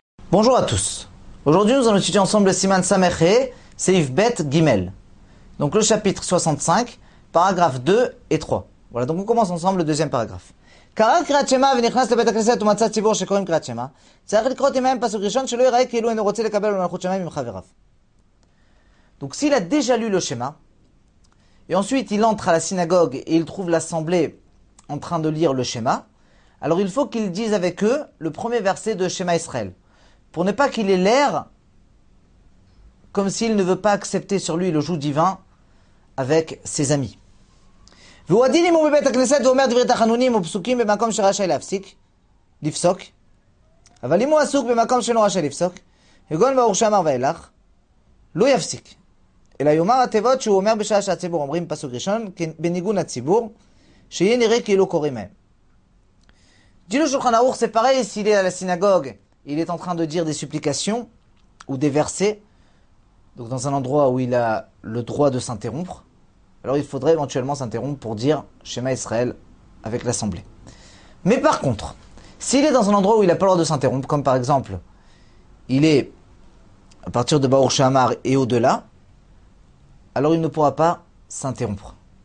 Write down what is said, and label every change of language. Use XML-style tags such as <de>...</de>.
<fr>Bonjour à tous. Aujourd'hui, nous allons étudier ensemble le Siman Samehé, Seif Bet Gimel. Donc le chapitre 65, paragraphes 2 et 3. Voilà, donc on commence ensemble le deuxième paragraphe.</fr> <he>קרא קריאת שמע ונכנס לבית הכנסת ומצא ציבור שקוראים קריאת שמע. צריך לקרות עמהם פסוק ראשון שלא יראה כאילו אינו רוצה לקבל מלכות שמיים עם חבריו.</he> <fr>Donc s'il a déjà lu le schéma, et ensuite il entre à la synagogue et il trouve l'assemblée en train de lire le schéma, alors il faut qu'il dise avec eux le premier verset de Schéma Israël, pour ne pas qu'il ait l'air comme s'il ne veut pas accepter sur lui le joug divin avec ses amis.</fr> <he>והוא הדין אם הוא בבית הכנסת ואומר דברי תחנונים ופסוקים במקום שרשאי להפסיק, לפסוק. אבל אם הוא עסוק במקום שלא רשאי לפסוק, הגון ברוך שאמר ואילך, לא יפסיק. אלא יאמר התיבות שהוא אומר בשעה שהציבור אומרים פסוק ראשון, בניגון הציבור, שיהיה נראה כאילו קוראים מהם. דינו שולחן ארוך ספרי, סילי על הסינגוג,</he> <fr>il est en train de dire des supplications ou des versets, donc dans un endroit où il a le droit de s'interrompre. Alors il faudrait éventuellement s'interrompre pour dire Shema Israël avec l'assemblée. Mais par contre, s'il est dans un endroit où il n'a pas le droit de s'interrompre, comme par exemple, il est à partir de Baruch Shamar et au-delà, alors il ne pourra pas s'interrompre.</fr>